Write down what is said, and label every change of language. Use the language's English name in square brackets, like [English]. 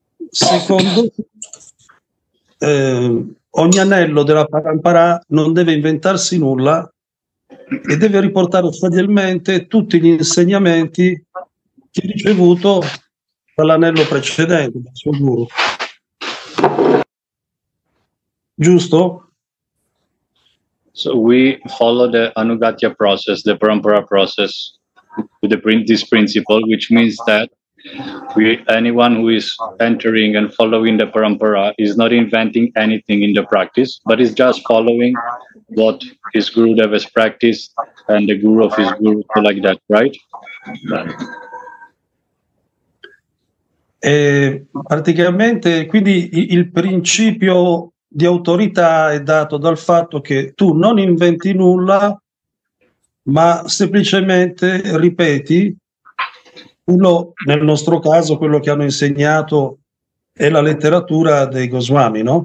[Italian] Secondo, ogni anello della parampara non deve inventarsi nulla e deve riportare fedelmente tutti gli insegnamenti che ha ricevuto dall'anello precedente, dal suo guru. Giusto? [English] So we follow the Anugatya process, the Parampara process, with this principle, which means that anyone who is entering and following the Parampara is not inventing anything in the practice, but is just following what his Gurudev has practiced and the guru of his guru, like that, right? [Italian] Praticamente, quindi il principio di autorità è dato dal fatto che tu non inventi nulla, ma semplicemente ripeti uno, nel nostro caso, quello che hanno insegnato è la letteratura dei Goswami, no?